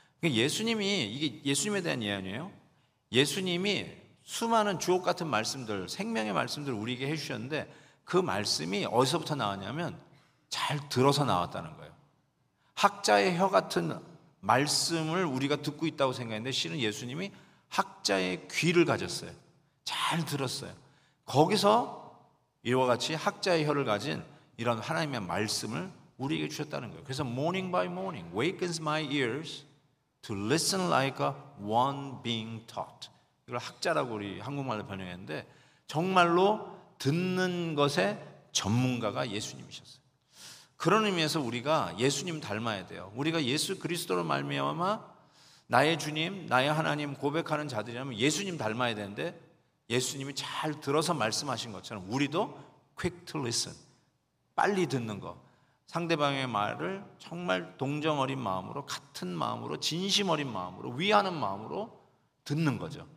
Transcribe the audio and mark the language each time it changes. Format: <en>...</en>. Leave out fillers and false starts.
<ko>예수님이, 이게 예수님에 대한 예언이에요. 예수님이 수많은 주옥 같은 말씀들, 생명의 말씀들을 우리에게 해주셨는데 그 말씀이 어디서부터 나왔냐면 잘 들어서 나왔다는 거예요. 학자의 혀 같은 말씀을 우리가 듣고 있다고 생각했는데 실은 예수님이 학자의 귀를 가졌어요. 잘 들었어요. 거기서 이와 같이 학자의 혀를 가진 이런 하나님의 말씀을 우리에게 주셨다는 거예요. 그래서</ko> <en>morning by morning wakens my ears to listen like a one being taught.</en> <ko>이걸 학자라고 우리 한국말로 번역했는데 정말로 듣는 것에 전문가가 예수님이셨어요. 그런 의미에서 우리가 예수님 닮아야 돼요. 우리가 예수 그리스도로 말미암아 나의 주님, 나의 하나님 고백하는 자들이라면 예수님 닮아야 되는데 예수님이 잘 들어서 말씀하신 것처럼 우리도</ko> <en>quick to listen,</en> <ko>빨리 듣는 것, 상대방의 말을 정말 동정 어린 마음으로, 같은 마음으로, 진심 어린 마음으로, 위하는 마음으로 듣는 거죠.</ko>